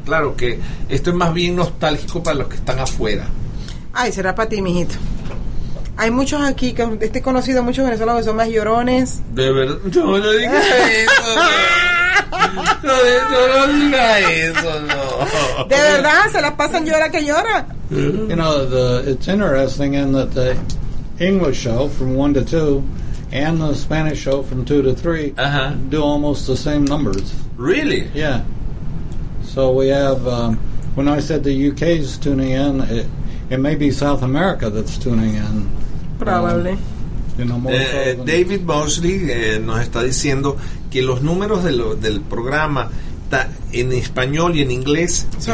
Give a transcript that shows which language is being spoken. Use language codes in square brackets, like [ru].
[es] Claro que esto es más bien nostálgico para los que están afuera. Ay, será para ti, mijito. Hay muchos aquí, que he conocido muchos venezolanos que son más llorones. De verdad, no lo digas eso. No, de verdad, se las pasan llora que llora. [en] You know, it's interesting in that the English show from 1 to 2 and the Spanish show from 2 to 3 do almost the same numbers. Really? Yeah. So we have, when I said the UK is tuning in, it may be South America that's tuning in. Probably. [es] David Mosley nos está diciendo que los números del programa en español y en inglés